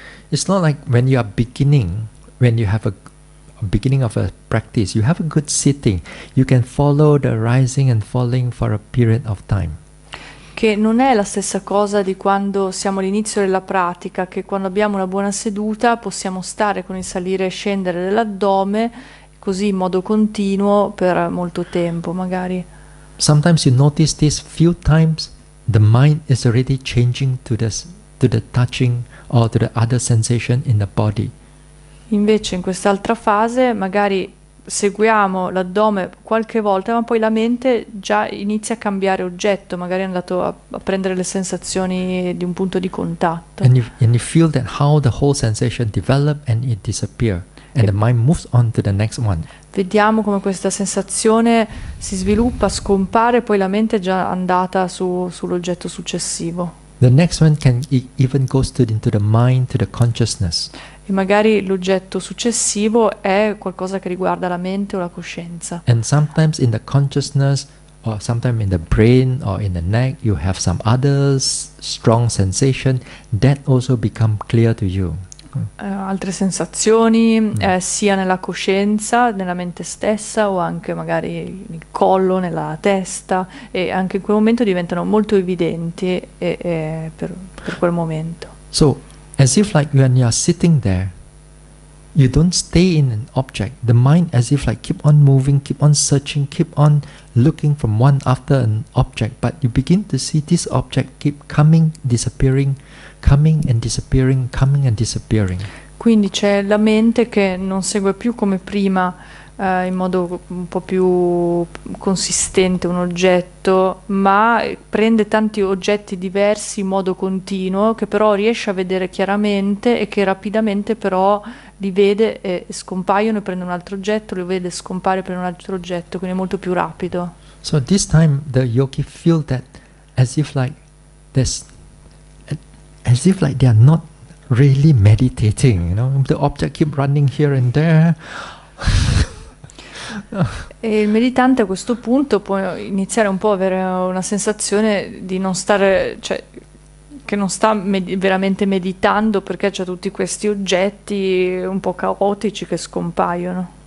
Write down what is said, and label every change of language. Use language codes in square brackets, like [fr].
[en] It's not like when you are beginning, when you have a beginning of a practice, you have a good sitting, you can follow the rising and falling for a period of time. [it] Che non è la stessa cosa di quando siamo all'inizio della pratica, che quando abbiamo una buona seduta possiamo stare con il salire e scendere dell'addome così in modo continuo per molto tempo, magari. [en] Sometimes you notice this few times the mind is already changing to the touching or to the other sensation in the body. [it] Invece in quest'altra fase magari seguiamo l'addome qualche volta, ma poi la mente già inizia a cambiare oggetto, magari è andato a prendere le sensazioni di un punto di contatto. [en] And you feel that how the whole sensation develops and it disappears, and the mind moves on to the next one. [it] Vediamo come questa sensazione si sviluppa, scompare, poi la mente è già andata sull'oggetto successivo. [en] The next one can even go into the mind, to the consciousness. [it] E magari l'oggetto successivo è qualcosa che riguarda la mente o la coscienza. [en] And sometimes in the consciousness, or sometimes in the brain or in the neck, you have some other strong sensation that also become clear to you. [it] altre sensazioni, sia nella coscienza, nella mente stessa o anche magari nel collo, nella testa, e anche in quel momento diventano molto evidenti per quel momento. [en] So, as if like when you are sitting there, you don't stay in an object. The mind as if like keep on moving, keep on searching, keep on looking from one after an object, but you begin to see this object keep coming, disappearing, coming and disappearing, coming and disappearing. [it] Quindi c'è la mente che non segue più come prima in modo un po' più consistente un oggetto, ma prende tanti oggetti diversi in modo continuo, che però riesce a vedere chiaramente e che rapidamente però li vede e scompaiono e prende un altro oggetto, lo vede scompare per un altro oggetto, quindi è molto più rapido. [en] So this time the yogi feel that as if like there's as if like they are not really meditating, you know, the object keep running here and there. [it] E il meditante a questo punto può iniziare un po' a avere una sensazione di non stare, cioè che non sta veramente meditando, perché c'è tutti questi oggetti un po' caotici che scompaiono.